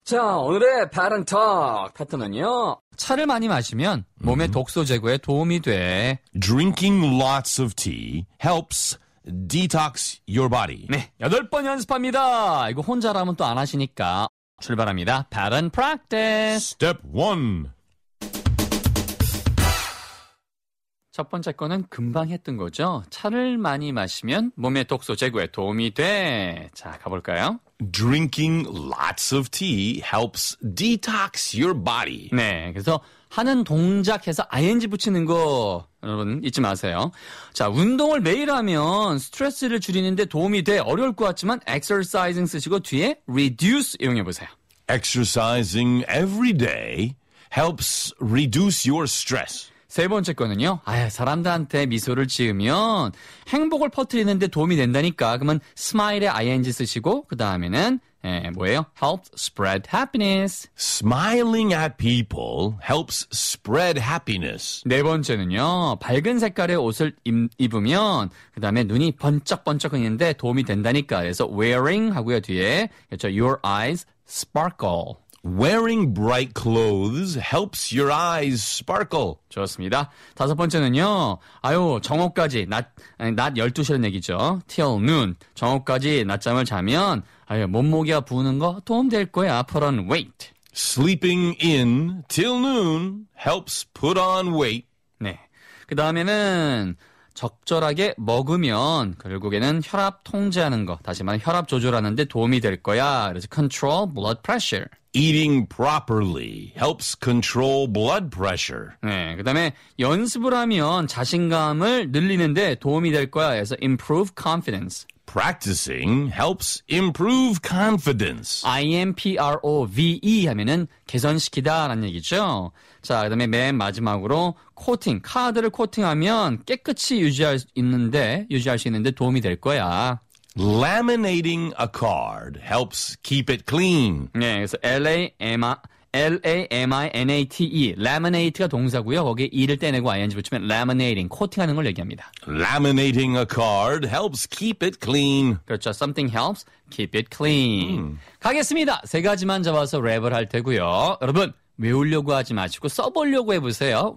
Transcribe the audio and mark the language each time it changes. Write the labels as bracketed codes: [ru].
[ko] 자, 오늘의 바른톡 패턴은요. 차를 많이 마시면 몸의 독소 제거에 도움이 돼. [en] Drinking lots of tea helps detox your body. [ko] 네, 여덟 번 연습합니다. 이거 혼자라면 또 안 하시니까 출발합니다. 바른 프랙티스. [en] Step 1. [ko] 첫 번째 거는 금방 했던 거죠. 차를 많이 마시면 몸의 독소 제거에 도움이 돼. 자, 가볼까요? [en] Drinking lots of tea helps detox your body. [ko] 네, 그래서 하는 동작해서 ing 붙이는 거 여러분 잊지 마세요. 자, 운동을 매일 하면 스트레스를 줄이는 데 도움이 돼. 어려울 것 같지만 exercising 쓰시고 뒤에 reduce 이용해 보세요. [en] Exercising every day helps reduce your stress. [ko] 세 번째 거는요. 아, 사람들한테 미소를 지으면 행복을 퍼뜨리는 데 도움이 된다니까. 그러면 smile에 ing 쓰시고 그다음에는 예, 뭐예요? [en] helps spread happiness. Smiling at people helps spread happiness. [ko] 네 번째는요. 밝은 색깔의 옷을 입으면 그다음에 눈이 번쩍번쩍거리는데 도움이 된다니까. 그래서 wearing 하고요. 뒤에 그렇죠. [en] your eyes sparkle. Wearing bright clothes helps your eyes sparkle. [ko] 좋습니다. 다섯 번째는요. 아유, 정오까지 낮 12시라는 얘기죠. [en] Till noon. [ko] 정오까지 낮잠을 자면 아유, 몸무게가 부는 거 도움될 거야. [en] Put on weight. Sleeping in till noon helps put on weight. [ko] 네. 그다음에는 적절하게 먹으면 결국에는 혈압 통제하는 거, 다시 말해 혈압 조절하는 데 도움이 될 거야. 그래서 [en] control blood pressure. Eating properly helps control blood pressure. [ko] 네, 그다음에 연습을 하면 자신감을 늘리는 데 도움이 될 거야. [en] 그래서 improve confidence. Practicing helps improve confidence. [ko] I-M-P-R-O-V-E 하면은 개선시키다라는 얘기죠. 자, 그 다음에 맨 마지막으로 코팅. 카드를 코팅하면 깨끗이 유지할 수 있는데 도움이 될 거야. [en] Laminating a card helps keep it clean. [ko] 네, 그래서 L-A-M-I-N-A-T-E. Laminate가 동사고요. 거기에 E를 떼내고 ING 붙이면 laminating, 코팅하는 걸 얘기합니다. [en] Laminating a card helps keep it clean. [ko] 그렇죠. [en] Something helps keep it clean. [ko] 가겠습니다. 세 가지만 잡아서 랩을 할 테고요. 여러분, 외우려고 하지 마시고 써보려고 해보세요.